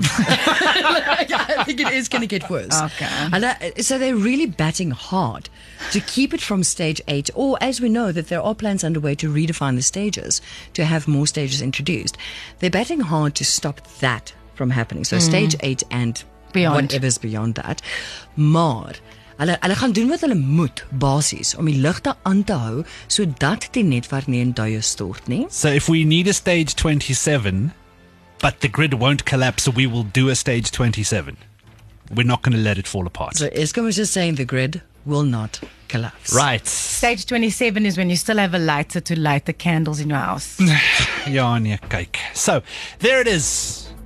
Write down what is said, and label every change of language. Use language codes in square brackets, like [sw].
[en] I think it is going to get worse. Okay. So they're really batting hard to keep it from stage 8, or as we know that there are plans underway to redefine the stages, to have more stages introduced. They're batting hard to stop that from happening. So stage 8 and beyond. Whatever's beyond that. [af] Maar hulle gaan doen wat hulle moet, basies, om die ligte aan te hou, sodat die netwerk nie in duie stort nie. [en] So if we need a stage 27... but the grid won't collapse, so we will do a stage 27. We're not going to let it fall apart. So Eskom is just saying the grid will not collapse. Right. Stage 27 is when you still have a lighter to light the candles in your house. Yeah, on your cake. So there it is.